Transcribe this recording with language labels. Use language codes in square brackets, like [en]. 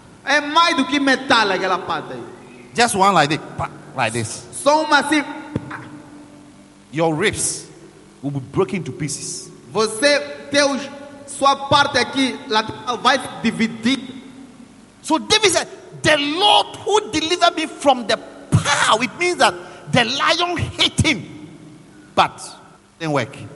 [pt] É mais do que metal aquela parte. [en] Just one like this. So massive. Your ribs will be broken into pieces. [pt] Você tem sua parte aqui lá vai dividir. [en] So David said, "The Lord who delivered me from the paw." It means that the lion hit him, but didn't work.